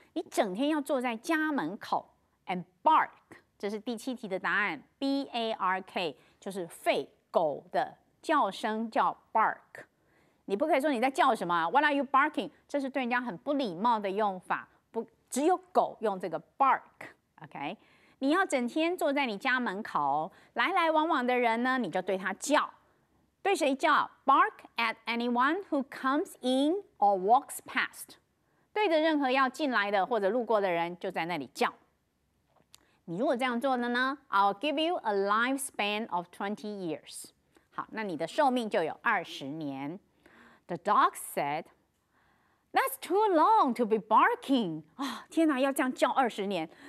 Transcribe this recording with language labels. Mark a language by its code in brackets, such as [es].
[zh] 你整天要坐在家门口 [en] and bark. [zh] 这是第七题的答案 ,B-A-R-K, 就是吠狗的叫声叫 bark. 你不可以说你在叫什么 , [en] What are you barking? [zh] 这是对人家很不礼貌的用法不只有狗用这个 bark, OK? 你要整天坐在你家门口来来往往的人呢你就对他叫。对谁叫 [en] ?Bark at anyone who comes in or walks past. [zh] 对着任何要进来的或者路过的人就在那里叫。你如果这样做的呢 [en] ?I'll give you a lifespan of 20 years. [zh] 好那你的寿命就有20年。 [en] The dog said, That's too long to be barking.、 [zh] 哦、天哪要这样叫20年。